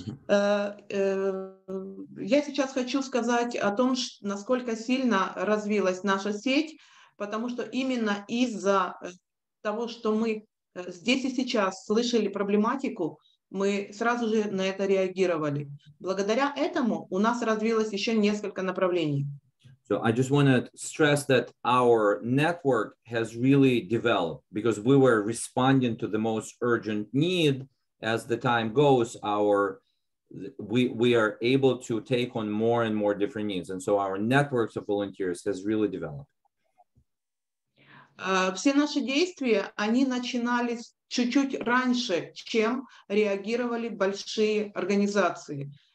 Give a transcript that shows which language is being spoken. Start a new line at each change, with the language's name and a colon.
Russian: Я сейчас хочу сказать о том, насколько сильно развилась наша сеть, потому что именно из-за того, что мы здесь и сейчас слышали проблематику, мы сразу же на это реагировали. Благодаря этому у нас развилось еще несколько направлений.
English: So I just want to stress that our network has really developed because we were responding to the most urgent need. As the time goes, we are able to take on more and more different needs. And so our networks of volunteers has really developed.
Russian: Все наши действия, они начинались чуть-чуть раньше, чем реагировали большие организации.